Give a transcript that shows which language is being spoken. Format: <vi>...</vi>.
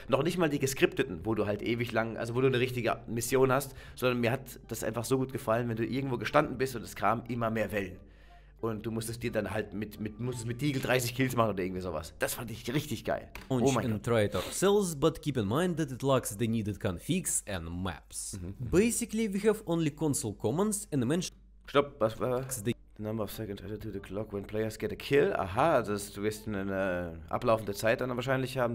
<de>Noch nicht mal die geskripteten, wo du halt ewig lang, also wo du eine richtige Mission hast, sondern mir hat das einfach so gut gefallen, wenn du irgendwo gestanden bist und es kamen immer mehr Wellen. Und du musstest dir dann halt musstest mit Deagle 30 Kills machen oder irgendwie sowas. Das fand ich richtig geil. Oh mein Gott.</de> <en>Try it ourselves, but keep in mind that it lacks the needed configs and maps. Mm-hmm. Basically, we have only console commands and a mention.</en> <de>Stopp, was war?</de> <en>The number of seconds added to the clock when players get a kill.</en> <de>Aha, also du wirst eine ablaufende Zeit dann wahrscheinlich haben.</de>